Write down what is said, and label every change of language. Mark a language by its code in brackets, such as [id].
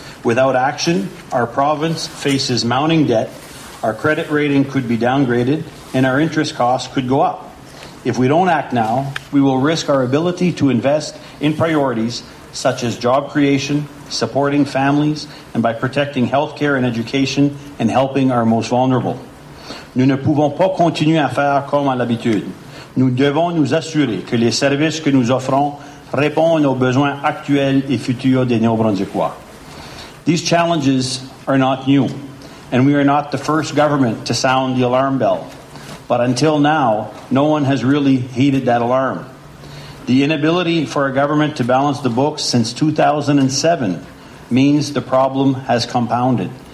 [en] Without action, our province faces mounting debt, our credit rating could be downgraded, and our interest costs could go up. If we don't act now, we will risk our ability to invest in priorities such as job creation, supporting families, and by protecting health care and education and helping our most vulnerable. [fr] Nous ne pouvons pas continuer à faire comme à l'habitude. Nous devons nous assurer que les services que nous offrons répondent aux besoins actuels et futurs des Néo-Brunswickois. [en] These challenges are not new, and we are not the first government to sound the alarm bell. But until now, no one has really heeded that alarm. The inability for a government to balance the books since 2007 means the problem has compounded.